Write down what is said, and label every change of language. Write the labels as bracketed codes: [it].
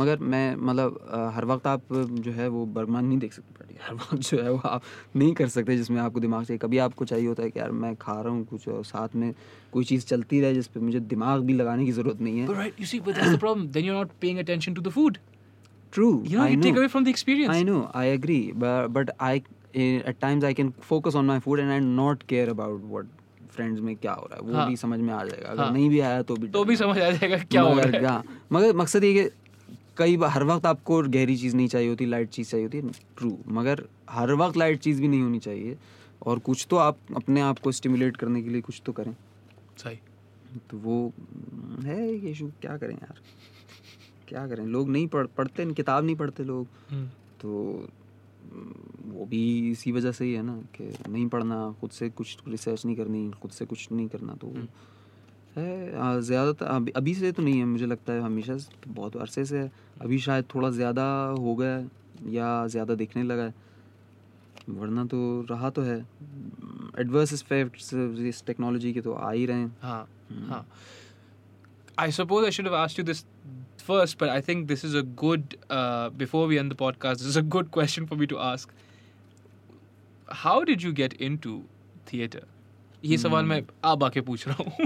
[ur] magar main matlab har waqt aap jo hai wo barman nahi dekh sakte ہر وقت جو ہے وہ آپ نہیں کر سکتے جس میں آپ کو دماغ چاہیے کبھی آپ کو چاہیے ہوتا ہے کہ یار میں کھا رہا ہوں کچھ اور ساتھ میں کوئی چیز چلتی رہے جس پہ مجھے دماغ بھی لگانے کی ضرورت نہیں ہے [en] but right you see but that's the problem then you're not paying attention to the food true you know, you take away from the experience I agree but at times I can focus on my food and I'm not care about what [ur] friends میں کیا ہو رہا ہے وہ بھی سمجھ میں آ جائے گا اگر نہیں بھی آیا تو بھی سمجھ آ جائے گا کیا ہو رہا ہے مگر مقصد یہ کہ کئی بار ہر وقت آپ کو گہری چیز نہیں چاہیے ہوتی لائٹ چیز چاہیے ہوتی ہے ٹرو مگر ہر وقت لائٹ چیز بھی نہیں ہونی چاہیے اور کچھ تو آپ اپنے آپ کو اسٹیمولیٹ کرنے کے لیے کچھ تو کریں صحیح تو وہ ہے ایک ایشو کیا کریں یار کیا کریں لوگ نہیں پڑھتے کتاب نہیں پڑھتے لوگ تو وہ بھی اسی وجہ سے ہی ہے نا کہ نہیں پڑھنا خود سے کچھ ریسرچ نہیں کرنی خود سے کچھ نہیں کرنا تو ہے زیادہ تر ابھی سے تو نہیں ہے مجھے لگتا ہے ہمیشہ بہت عرصے سے ہے ابھی شاید تھوڑا زیادہ ہو گیا یا زیادہ دیکھنے لگا ہے ورنہ تو رہا تو ہے ایڈورس افیکٹس اس ٹیکنالوجی کے تو آ ہی رہے ہیں ہاں ہاں [en] I suppose I should have asked you this first but I think this is a good before we end the podcast this is a good question for me to ask how did you get into theater [ur] یہ سوال میں آپ آ کے پوچھ رہا ہوں